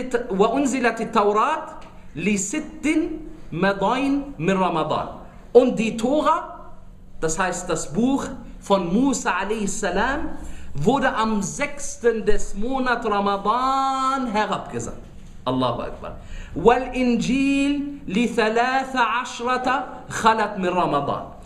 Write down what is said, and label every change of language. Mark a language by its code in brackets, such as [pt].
[ar] وأنزلت التوراة لست مضين من رمضان. [de] Und die Tora, das heißt das Buch von Musa alayhi salam, wurde am 6. des Monats Ramadan herabgesandt. [ar] Allahu Akbar. والإنجيل لثلاث عشرة خلت من رمضان.